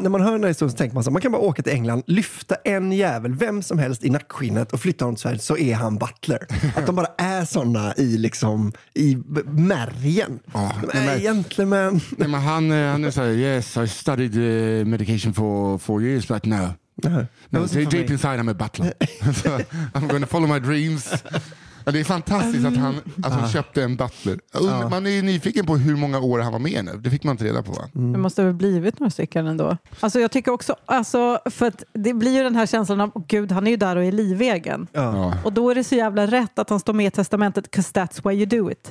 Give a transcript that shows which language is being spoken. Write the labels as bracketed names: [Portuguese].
[Swedish] När man hör den här historien så tänker man så här, man kan bara åka till England, lyfta en jävel, vem som helst i nackskinnet och flytta honom till Sverige, så är han butler. Att de bara är såna i liksom i märgen. De är gentleman. Nej, men han är så här, [English] yes, I studied medication for 4 years, but no. No, no, deep inside I'm a butler. So I'm going to follow my dreams. [Swedish] Och det är fantastiskt att han alltså köpte en butler. Man är ju nyfiken på hur många år han var med nu. Det fick man inte reda på, va? Mm. Det måste ha blivit några stycken ändå. Alltså jag tycker också, alltså, för att det blir ju den här känslan av gud, han är ju där och är livvägen. Och då är det så jävla rätt att han står med i testamentet, [English] 'cause that's why you do it.